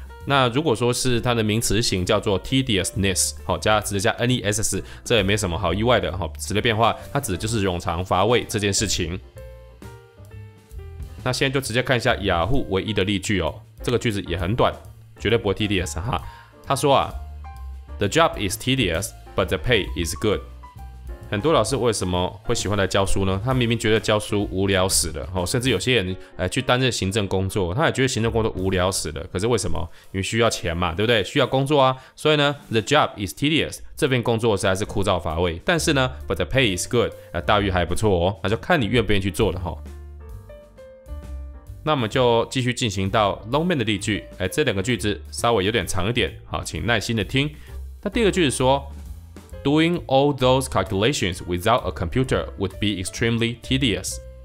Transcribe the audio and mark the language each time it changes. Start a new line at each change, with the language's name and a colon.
Chinese: 那如果说是它的名词型叫做 tediousness， 加直接加 ness， 这也没什么好意外的，直接变化它指的就是冗长乏味这件事情。那现在就直接看一下雅虎唯一的例句哦，这个句子也很短，绝对不会 tedious 哈。他说啊，
English: the job is tedious but the pay is good。
Chinese: 很多老师为什么会喜欢来教书呢？他明明觉得教书无聊死了，甚至有些人去担任行政工作，他也觉得行政工作无聊死了。可是为什么？因为需要钱嘛，对不对？需要工作啊。所以呢 ，
English: the job is tedious，
Chinese: 这边工作实在是枯燥乏味。但是呢 ，
English: but the pay is good，
Chinese: 待遇还不错哦。那就看你愿不愿意去做了哈。那我们就继续进行到 long man 的例句。这两个句子稍微有点长一点，好，请耐心的听。那第二个句子说。
English: Doing all those calculations without a computer would be extremely tedious.